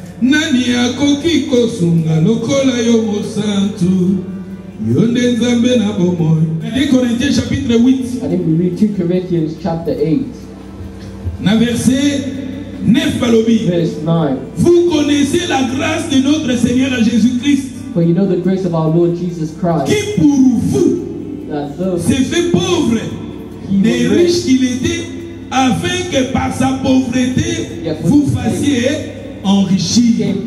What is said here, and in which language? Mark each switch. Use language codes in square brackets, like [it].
[ln] Nani akoki kosunga lokola yo mosantu. Yonde nzambe na bomoi. [en] 2 Corinthians chapter 8. I think we read 2 Corinthians chapter 8. [ln] Na verset 9. [fr] Vous connaissez la grâce de notre Seigneur Jésus Christ. [en] For you know the grace of our Lord Jesus Christ. [fr] Qui pour vous s'est fait pauvre, des riches qu'il était, afin que par sa pauvreté vous fassiez enrichir.